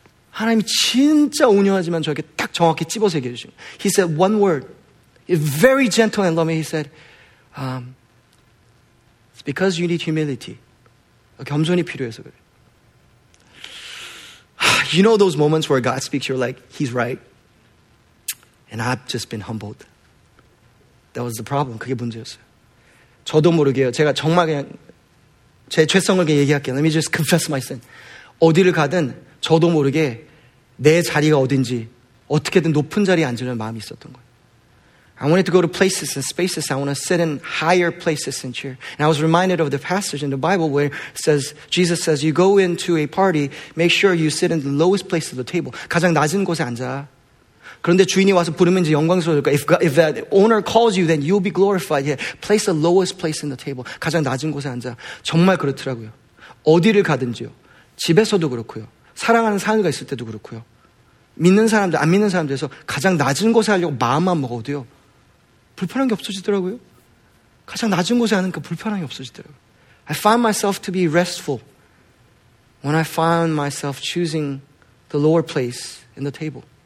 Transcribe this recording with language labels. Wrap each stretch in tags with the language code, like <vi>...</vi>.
<ko>하나님이 진짜 온유하지만 저에게 딱 정확히 찝어서 얘기해 주신 거예요.</ko> <en>He said one word, very gentle and loving, he said, it's because you need humility.</en> <ko>겸손이 필요해서 그래.</ko> <en>You know those moments where God speaks, you're like, he's right. And I've just been humbled. That was the problem.</en> <ko>그게 문제였어요. 저도 모르게요. 제가 정말 그냥 제 죄성을 그냥 얘기할게요.</ko> <en>Let me just confess my sin.</en> <ko>어디를 가든 저도 모르게 내 자리가 어딘지 어떻게든 높은 자리에 앉으려는 마음이 있었던 거예요.</ko> <en>I wanted to go to places and spaces. I want to sit in higher places and cheer. And I was reminded of the passage in the Bible where it says, Jesus says, you go into a party, make sure you sit in the lowest place of the table.</en> <ko>가장 낮은 곳에 앉아. 그런데 주인이 와서 부르면 이제 영광스러울 거야.</ko> <en>If that owner calls you, then you'll be glorified. Yeah. Place the lowest place in the table.</en> <ko>가장 낮은 곳에 앉아. 정말 그렇더라고요. 어디를 가든지요. 집에서도 그렇고요. 사랑하는 사람들과 있을 때도 그렇고요. 믿는 사람들, 안 믿는 사람들에서 가장 낮은 곳에 하려고 마음만 먹어도요. 불편한 게 없어지더라고요. 가장 낮은 곳에 하는 그 불편함이 없어지더라고요.</ko> <en>I found myself to be restful when I found myself choosing the lower place in the table.</en>